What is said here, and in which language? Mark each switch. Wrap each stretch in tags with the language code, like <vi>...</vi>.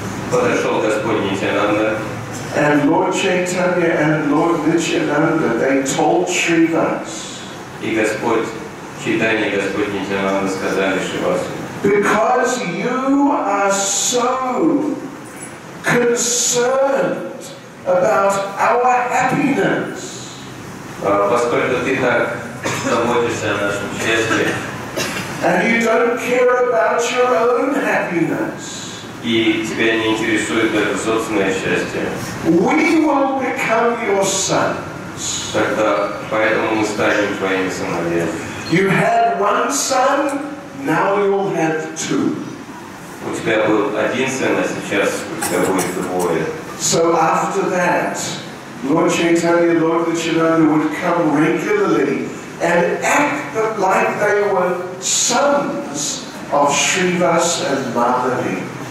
<ru>Подошел Господь Нитянанда.</ru> <en>And Lord Chaitanya and Lord Nityananda, they told Srivas.</en> <ru>И Господь Чайтанья и Господь Нитянанда сказали Шривасу.</ru> <en>Because you are so concerned about our happiness.</en> <ru>Поскольку ты так заботишься о нашем счастье.</ru> <en>And you don't care about your own happiness.</en> <ru>И тебя не интересует даже собственное счастье.</ru> <en>We will become your sons.</en> <ru>Тогда поэтому мы станем твоими сыновьями.</ru> <en>You had one son, now you'll have two.</en> <ru>У тебя был один сын, а сейчас у тебя будет двое.</ru> <en>So after that, Lord Chaitanya, Lord Nityananda would come regularly and act like they were sons of Srivas and Madhavi.</en>